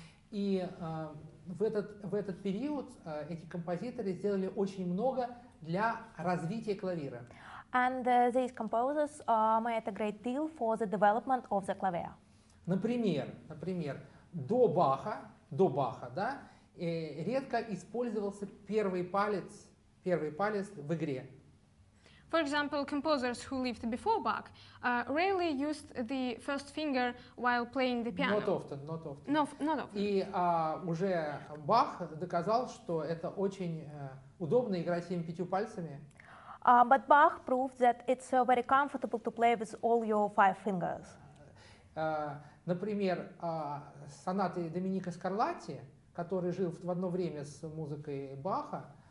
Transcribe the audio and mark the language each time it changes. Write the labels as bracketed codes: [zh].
[ru] И в этот период эти композиторы сделали очень много для развития клавира. [en] And these composers made a great deal for the development of the clavier. [ru] Например, до Баха, да, редко использовался первый палец в игре. [en] For example, composers who lived before Bach rarely used the first finger while playing the piano. Not often. Not often. [ru] И уже Бах доказал, что это очень удобно играть всеми пятью пальцами. [en] But Bach proved that it's very comfortable to play with all your five fingers. [ru] Например, сонаты Доминико Скарлатти, который жил в одно время с музыкой Баха.